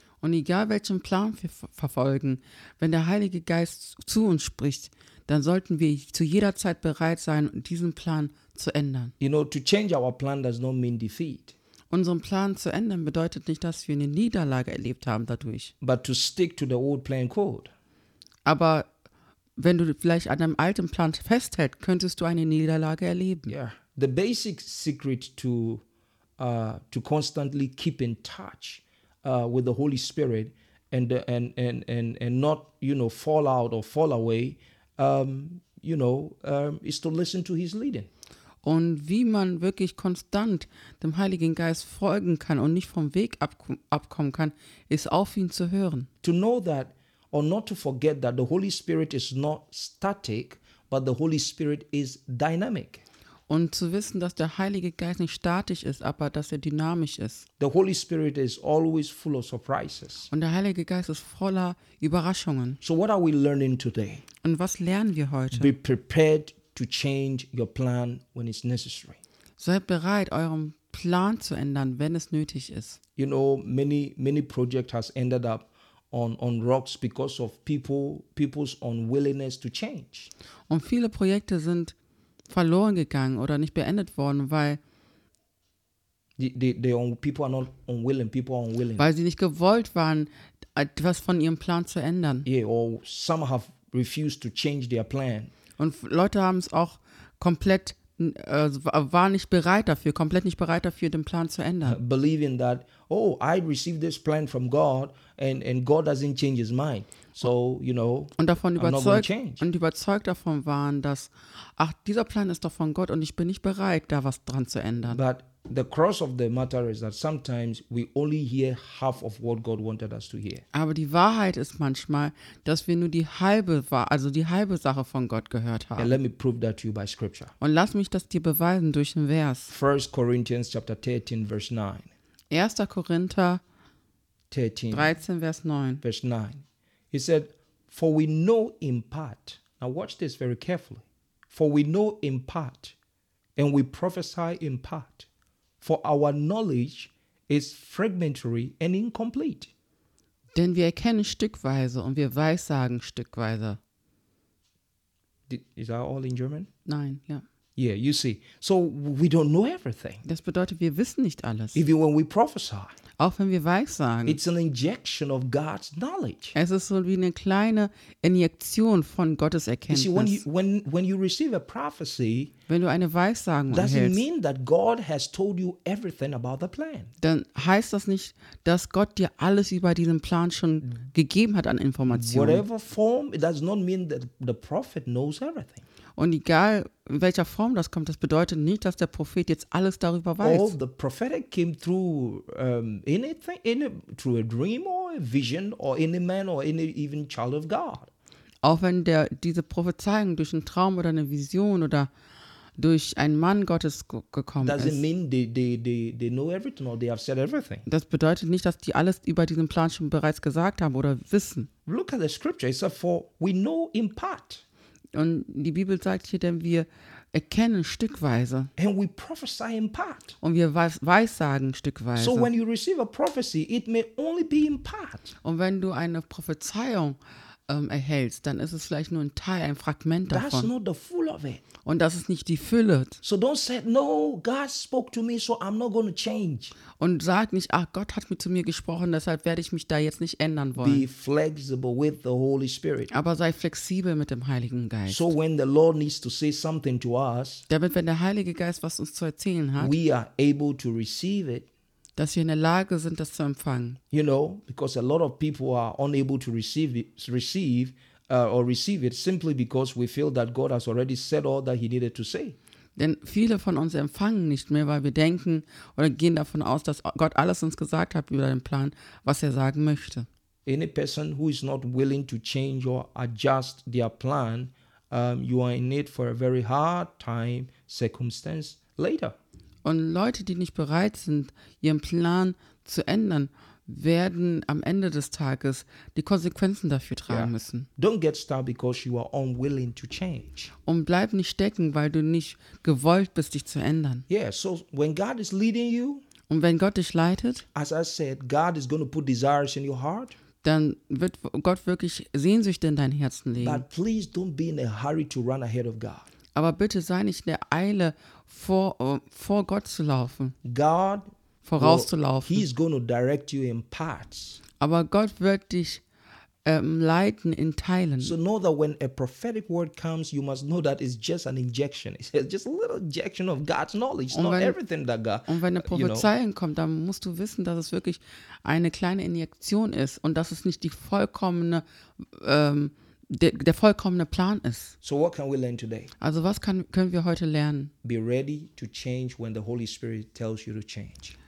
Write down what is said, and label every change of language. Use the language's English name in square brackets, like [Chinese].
[German] Und egal welchen Plan wir verfolgen, wenn der Heilige Geist zu uns spricht, dann sollten wir zu jeder Zeit bereit sein, diesen Plan zu ändern. [English] You know, to change our plan does not mean defeat. [German] Unseren Plan zu ändern bedeutet nicht, dass wir eine Niederlage erlebt haben dadurch. [English] But to stick to the old plan code. [German] Aber wenn du vielleicht an deinem alten Plan festhältst, könntest du eine Niederlage erleben. [English] Yeah. The basic secret to constantly keep in touch with the Holy Spirit and not, you know, fall out or fall away, is to listen to his leading. [German] Und wie man wirklich konstant dem Heiligen Geist folgen kann und nicht vom Weg abkommen kann, ist auf ihn zu hören. [English] To know that or not to forget that the Holy Spirit is not static, but the Holy Spirit is dynamic. [German] Und zu wissen, dass der Heilige Geist nicht statisch ist, aber dass er dynamisch ist. [English] The Holy Spirit is always full of surprises. [German] Und der Heilige Geist ist voller Überraschungen. [English] So what are we learning today? [German] Und was lernen wir heute? [English] Be prepared to change your plan when it's necessary. [German] Seid bereit, euren Plan zu ändern, wenn es nötig ist. [English] You know, many project has ended up on rocks because of people's unwillingness to change. [German] Und viele Projekte sind verloren gegangen oder nicht beendet worden, weil [English] people are not unwilling. People are unwilling. [German] Weil sie nicht gewollt waren, etwas von ihrem Plan zu ändern. [English] Yeah, or some have refused to change their plan. [German] Und Leute haben es auch komplett waren nicht bereit dafür, den Plan zu ändern. [English] Believing that, oh, I received this plan from God and God doesn't change his mind. So, you know, [German] und davon überzeugt, davon waren, dass, ach, dieser Plan ist doch von Gott und ich bin nicht bereit, da was dran zu ändern. [English] But the cross of the matter is that sometimes we only hear half of what God wanted us to hear. [German] Aber die Wahrheit ist manchmal, dass wir nur die halbe Sache von Gott gehört haben. [English] And let me prove that to you by scripture. [German] Und lass mich das dir beweisen durch ein Vers. [English] 1 Corinthians chapter 13 verse 9. [German] 1. Korinther 13 Vers 9. [English] He said, for we know in part. Now watch this very carefully. For we know in part and we prophesy in part. For our knowledge is fragmentary and incomplete. [German] Denn wir erkennen stückweise und wir weissagen stückweise. [English] Is that all in German? [German] Nein, ja. [English] Yeah, you see. So we don't know everything. [German] Das bedeutet, wir wissen nicht alles. [English] Even when we prophesy. [German] Auch wenn wir weissagen. [English] It's an injection of God's knowledge. [German] Es ist so wie eine kleine Injektion von Gottes Erkenntnis. [English] You see, when you receive a prophecy, [German] wenn du eine Weissagung erhältst, [English] doesn't mean that God has told you everything about the plan. [German] Dann heißt das nicht, dass Gott dir alles über diesen Plan schon gegeben hat an Informationen. [English] Whatever form, it does not mean that the prophet knows everything. [German] Und egal in welcher Form das kommt, das bedeutet nicht, dass der Prophet jetzt alles darüber weiß. [English] All the prophetic came through anything, through a dream or a vision or any man or any even child of God. [German] auch wenn der diese Prophezeiung durch einen Traum oder eine Vision oder durch einen Mann Gottes gekommen ist. [English] Doesn't mean they know everything or they have said everything. [German] Das bedeutet nicht, dass die alles über diesen Plan schon bereits gesagt haben oder wissen. [English] Look at the scripture. It says, for we know in part. [German] Und die Bibel sagt hier, denn wir erkennen stückweise. [English] And we prophesy in part. [German] Und wir weissagen stückweise. [English] So when you receive a prophecy, it may only be in part. [German] Und wenn du eine Prophezeiung erhältst, dann ist es vielleicht nur ein Teil, ein Fragment davon. [English] That's not the full of it. [German] Und das ist nicht die Fülle. [English] So don't say, no, God spoke to me, so I'm not going to change. [German] Und sag nicht, ach, Gott hat mit zu mir gesprochen, deshalb werde ich mich da jetzt nicht ändern wollen. [English] Be flexible with the Holy Spirit. [German] Aber sei flexibel mit dem Heiligen Geist. [English] So when the Lord needs to say something to us, [German] damit wenn der Heilige Geist was uns zu erzählen hat, [English] we are able to receive it. [German] Dass wir in der Lage sind, das zu empfangen. [English] You know, because a lot of people are unable to receive it simply because we feel that God has already said all that he needed to say. [German] Denn viele von uns empfangen nicht mehr, weil wir denken oder gehen davon aus, dass Gott alles uns gesagt hat über den Plan, was er sagen möchte. [English] Any person who is not willing to change or adjust their plan, you are in need for a very hard time circumstance later. [German] Und Leute, die nicht bereit sind, ihren Plan zu ändern, werden am Ende des Tages die Konsequenzen dafür tragen müssen. [English] Don't get stuck because you are unwilling to change. [German] Und bleib nicht stecken, weil du nicht gewollt bist, dich zu ändern. [English] Yeah, so when God is leading you, [German] und wenn Gott dich leitet, [English] as I said, God is going to put desires in your heart, [German] dann wird Gott wirklich Sehnsüchte in dein Herzen legen. [English] But please don't be in a hurry to run ahead of God. [German] Aber bitte sei nicht in der Eile, vor Gott zu laufen. [English] God [German] vorauszulaufen. [English] He is going to direct you in parts. [German] Aber Gott wird dich leiten in Teilen. [English] So know that when a prophetic word comes, you must know that it's just an injection. It's just a little injection of God's knowledge. It's not everything that God. [German] Und wenn eine Prophezeiung kommt, dann musst du wissen, dass es wirklich eine kleine Injektion ist und dass es nicht die vollkommene der vollkommene Plan ist. [English] So what can we learn today? [German] Also was können wir heute lernen? [English] Be ready to change when the Holy Spirit tells you to change.